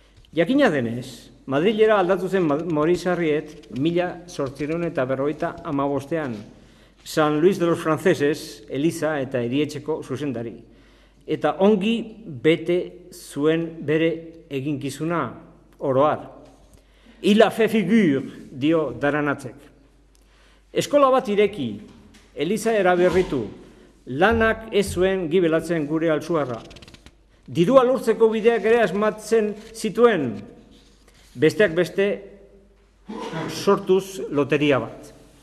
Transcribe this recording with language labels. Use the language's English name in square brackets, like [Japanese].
[Basque] Jakina denez, Madrilera aldatu zen Moriz Harriet 1845ean, San Luis de los Franceses, Eliza eta Erietxeko zuzendari. Eta ongi bete zuen bere eginkizuna, oroar. [French] Il a fait figure, [Basque] dio Daranatzek. Eskola bat ireki, Eliza eraberritu, lanak ez zuen gibelatzen gure altzuarra. Dirua lortzeko bideak ere asmatzen zituen, besteak beste sortuz loteria bat.